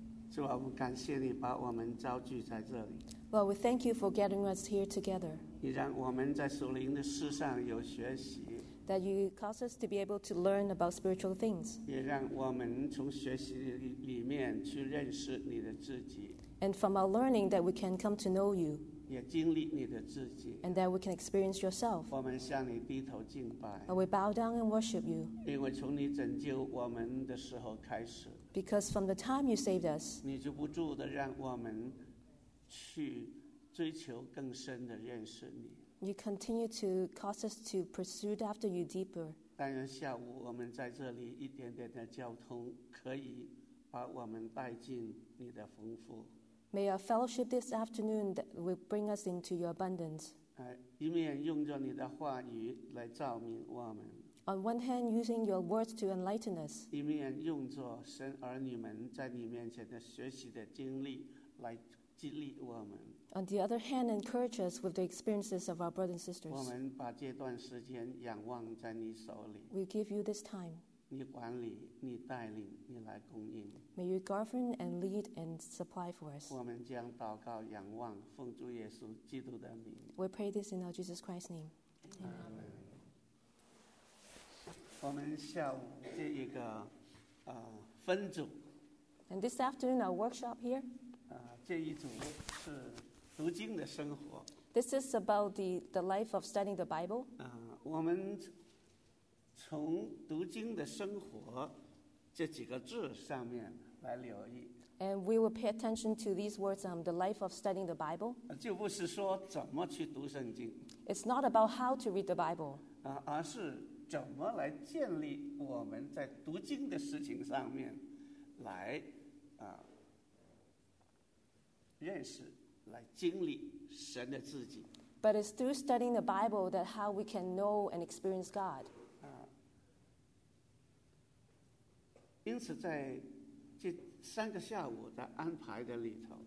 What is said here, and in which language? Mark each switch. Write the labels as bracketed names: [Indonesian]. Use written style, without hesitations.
[Chinese] 主啊，我们感谢你把我们召聚在这里。 [English] Well, we thank you for getting us here together. [Chinese] 你让我们在属灵的事上有学习。 [English] That you cause us to be able to learn about spiritual things. [Chinese] 也让我们从学习里面去认识你的自己。 [English] And from our learning that we can come to know you. [Chinese] 也经历你的自己。 [English] And that we can experience yourself. [Chinese] 我们向你低头敬拜。 [English] And we bow down and worship you. [Chinese] 因为从你拯救我们的时候开始。 [English] Because from the time you saved us. [Chinese] 你就不住地让我们去追求更深的认识你。 [English] You continue to cause us to pursue after you deeper. [Chinese] 但愿下午我们在这里一点点的交通可以把我们带进你的丰富。 [English] May our fellowship this afternoon will bring us into your abundance. [Chinese] 一面用着你的话语来照明我们。 [English] On one hand, using your words to enlighten us. [Chinese] 一面用着神儿女们在你面前的学习的经历来激励我们。 [English] On the other hand, encourage us with the experiences of our brothers and sisters. [Chinese] 我们把这段时间仰望在你手里。 [English] We give you this time. [Chinese] 你管理，你带领，你来供应。 [English] May you govern and lead and supply for us. [Chinese] 我们将祷告仰望，奉主耶稣基督的名。 [English] We pray this in our Jesus Christ's name. Amen. [Chinese] 我们下午这一个分组。 [English] And this afternoon, our workshop here. [Chinese] 这一组是。读经的生活。 [English] This is about the life of studying the Bible. [Chinese] 我们从读经的生活这几个字上面来留意。 [English] And we will pay attention to these words, the life of studying the Bible. [Chinese] 就不是说怎么去读圣经。 [English] It's not about how to read the Bible. [Chinese] 而是怎么来建立我们在读经的事情上面来认识。来经历神的自己。 [English] But it's through studying the Bible that how we can know and experience God. [Chinese] 因此在这三个下午的安排的里头。